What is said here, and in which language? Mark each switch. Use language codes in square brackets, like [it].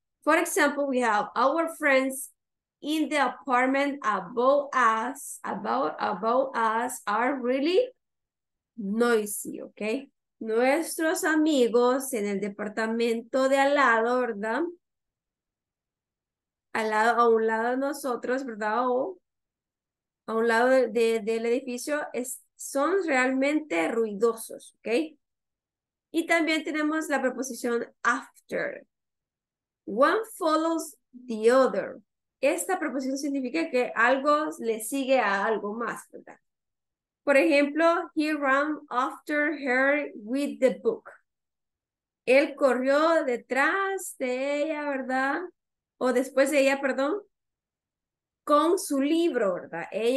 [en] For example, we have our friends in the apartment above us are really noisy, okay? [es] Nuestros amigos en el departamento de al lado, ¿verdad? Al lado, a un lado de nosotros, ¿verdad? O a un lado del edificio, son realmente ruidosos, ¿ok? Y también tenemos la preposición after. [en] One follows the other. [es] Esta preposición significa que algo le sigue a algo más, ¿verdad? Por ejemplo, [en] he ran after her with the book. [es] Él corrió detrás de ella, ¿verdad? O después de ella, perdón, con su libro, ¿verdad?